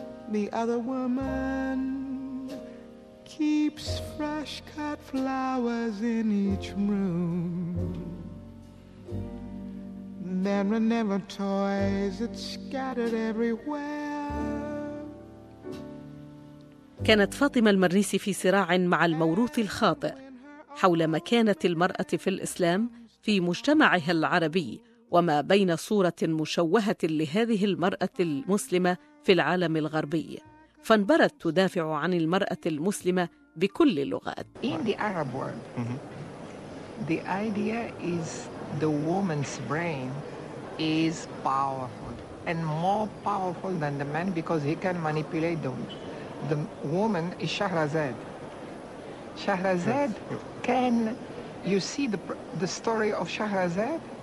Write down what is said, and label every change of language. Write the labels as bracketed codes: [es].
[en] The other woman keeps fresh cut flowers in each room. There are never toys that's scattered everywhere. [ar] كانت فاطمة المرنيسي في صراع مع الموروث الخاطئ حول مكانة المرأة في الإسلام في مجتمعها العربي، وما بين صورة مشوهة لهذه المرأة المسلمة في العالم الغربي. فأنبرت تدافع عن المرأة المسلمة بكل اللغات. [en] In the Arab world, the idea is the woman's brain is powerful. and more powerful than the man because he can manipulate the woman. The woman is Shahrazad. Shahrazad can, you see the story of Shahrazad?